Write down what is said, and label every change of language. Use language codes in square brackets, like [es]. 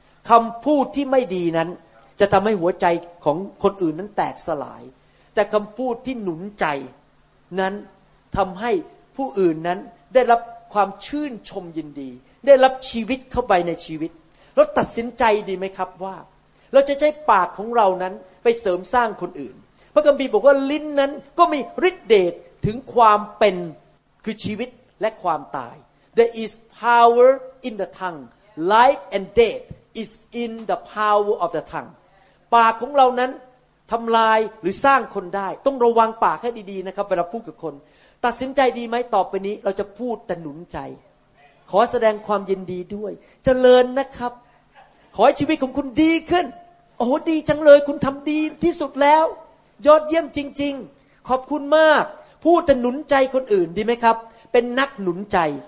[th] คำพูดที่ไม่ดีนั้นจะทำให้หัวใจของคนอื่นนั้นแตกสลายแต่คำพูดที่หนุนใจนั้นทำให้ผู้อื่นนั้นได้รับความชื่นชมยินดีได้รับชีวิตเข้าไปในชีวิตเราตัดสินใจดีไหมครับว่าเราจะใช้ปากของเรานั้นไปเสริมสร้างคนอื่นพระคัมภีร์บอกว่าลิ้นนั้นก็มีฤทธิ์เดชถึงความเป็นคือชีวิตและความตาย [en] There is power in the tongue. Life and death is in the power of the tongue. [th] ปากของเรานั้นทำลายหรือสร้างคนได้ต้องระวังปากให้ดีๆนะครับเวลาพูดกับคนตัดสินใจดีไหมต่อไปนี้เราจะพูดแต่หนุนใจขอแสดงความยินดีด้วยเจริญนะครับขอให้ชีวิตของคุณดีขึ้นโอ้โหดีจังเลยคุณทำดีที่สุดแล้วยอดเยี่ยมจริงๆขอบคุณมากพูดแต่หนุนใจคนอื่นดีไหมครับเป็นนักหนุนใจ